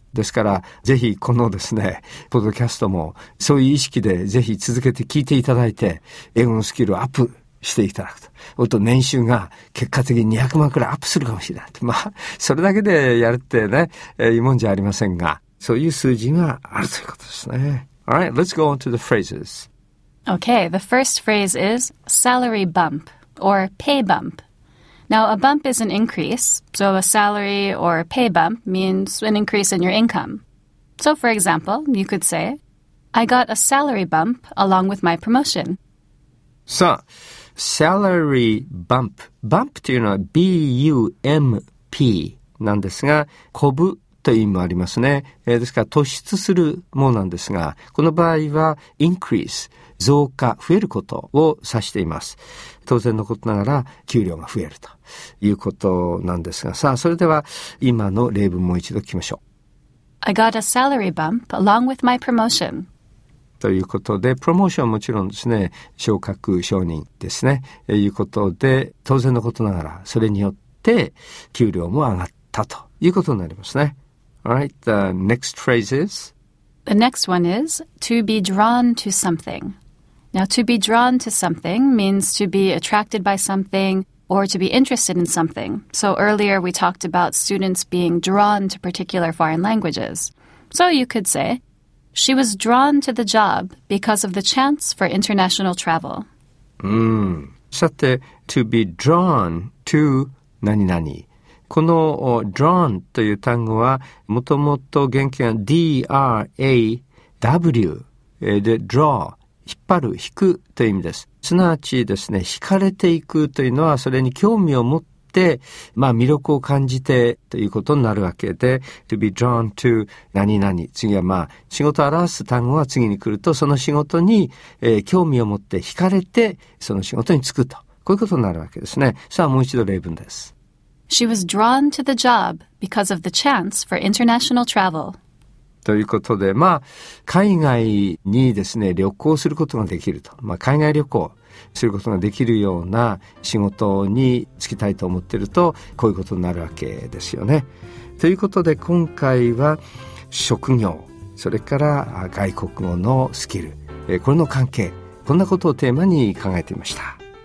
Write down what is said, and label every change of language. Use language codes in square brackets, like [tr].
[ja] ですから、ぜひこのですね、ポッドキャストも、そういう意識でぜひ続けて聞いていただいて、英語のスキルをアップしていただくと。おと年収が結果的に200万くらいアップするかもしれない。まあ、それだけでやるってね、いいもんじゃありませんが、そういう数字があるということですね。 [en] Alright, let's go on to the phrases. Okay, the first phrase is salary bump or pay bump. Now, a bump is an increase, so a salary or a pay bump means an increase in your income. So, for example, you could say, I got a salary bump along with my promotion. [ja] さあ、 [en] salary bump。 [ja] bump というのは B-U-M-P なんですが、こぶという意味もありますね。ですから、突出するものなんですが、この場合は increase、増加、増えることを指しています。当然のことながら給料が増えるということなんですが、さあ、それでは今の例文もう一度聞きましょう。 [en] I got a salary bump along with my promotion. [ja] ということで、プロモーションはもちろんですね、昇格昇任ですね、いうことで、当然のことながらそれによって給料も上がったということになりますね。 [en] Alright, the next phrase is? The next one is to be drawn to something. Now, to be drawn to something means to be attracted by something or to be interested in something. So earlier we talked about students being drawn to particular foreign languages. So you could say, she was drawn to the job because of the chance for international travel. [ja] さて、 [en] to be drawn to [ja] 何々。この drawn という単語はもともと原型は D-R-A-W で draw。引っ張る、引くという意味です。すなわちですね、引かれていくというのは、それに興味を持って、まあ魅力を感じてということになるわけで、 [en] to be drawn to [ja] 何々。次はまあ、仕事を表す単語が次に来ると、その仕事に、興味を持って引かれて、その仕事に就くと。こういうことになるわけですね。さあ、もう一度例文です。 [en] She was drawn to the job because of the chance for international travel. [ja] ということで、まあ、海外にですね、旅行することができると。まあ、海外旅行することができるような仕事に就きたいと思っていると、こういうことになるわけですよね。ということで、今回は職業、それから外国語のスキル、これの関係、こんなことをテーマに考えてみました。